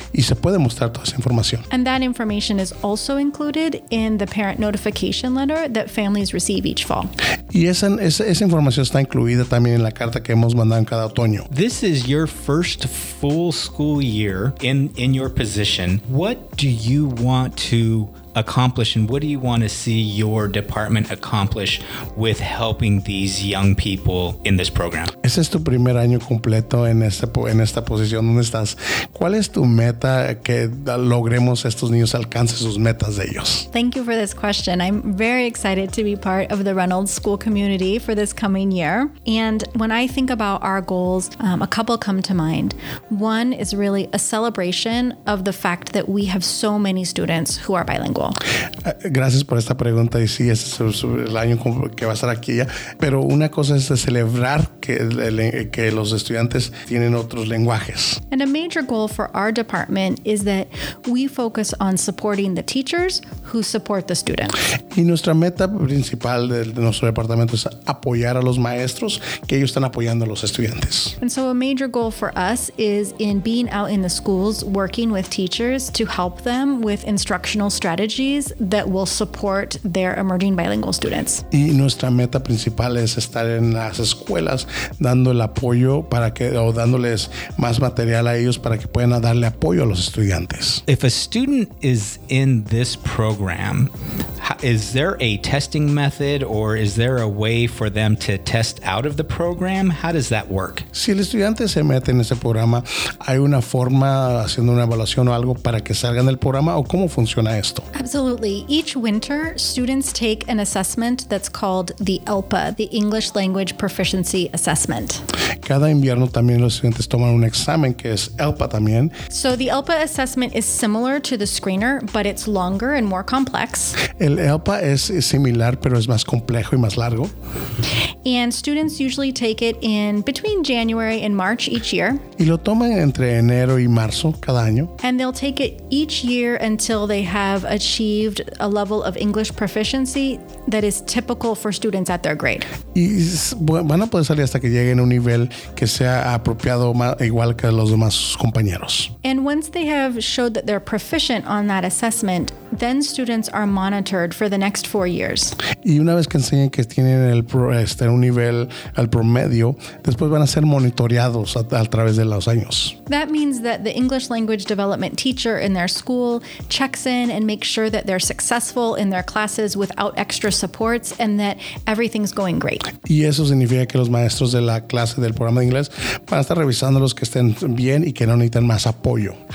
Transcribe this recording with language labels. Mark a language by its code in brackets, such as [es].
[es] Y se puede mostrar toda esa información. [en] And that information is also included in the parent notification letter that families receive each fall. [es] Y esa información está incluida también en la carta que hemos mandado en cada otoño. [en] This is your first full school year in your position. What do you want to accomplish and what do you want to see your department accomplish with helping these young people in this program? [es] Ese es tu primer año completo en esta posición donde estás. ¿Cuál es tu meta que logremos estos niños alcancen sus metas de ellos? [en] Thank you for this question. I'm very excited to be part of the Reynolds School community for this coming year. And when I think about our goals, a couple come to mind. One is really a celebration of the fact that we have so many students who are bilingual. [es] Gracias por esta pregunta y sí, ese es el año que va a estar aquí ya. Pero una cosa es de celebrar que los estudiantes tienen otros lenguajes. [en] And a major goal for our department is that we focus on supporting the teachers who support the students. [es] Y nuestra meta principal de nuestro departamento es apoyar a los maestros que ellos están apoyando a los estudiantes. [en] And so a major goal for us is in being out in the schools working with teachers to help them with instructional strategies that will support their emerging bilingual students. [es] Y nuestra meta principal es estar en las escuelas dando el apoyo para que o dándoles más material a ellos para que puedan darle apoyo a los estudiantes. [en] If a student is in this program, is there a testing method or is there a way for them to test out of the program? How does that work? [es] Si el estudiante se mete en ese programa, ¿hay una forma haciendo una evaluación o algo para que salgan del programa o cómo funciona esto? [en] Absolutely. Each winter, students take an assessment that's called the ELPA, the English Language Proficiency Assessment. [es] Cada invierno también los estudiantes toman un examen que es ELPA también. [en] So the ELPA assessment is similar to the screener, but it's longer and more complex. [es] El ELPA es similar, pero es más complejo y más largo. [en] And students usually take it in between January and March each year. [es] Y lo toman entre enero y marzo cada año. [en] And they'll take it each year until they have achieved a level of English proficiency that is typical for students at their grade. [es] Y van a poder salir hasta que lleguen a un nivel que sea apropiado igual que los demás compañeros. [en] And once they have showed that they're proficient on that assessment, then students are monitored offered for the next 4 years. [es] Y una vez que enseñen que tienen el un nivel al promedio, después van a ser monitoreados a través de los años. [en] That means that the English language development teacher in their school checks in and makes sure that they're successful in their classes without extra supports and that everything's going great. [es] Y eso significa que los maestros de la clase del programa de inglés van a estar revisándolos que estén bien y que no necesiten más apoyo.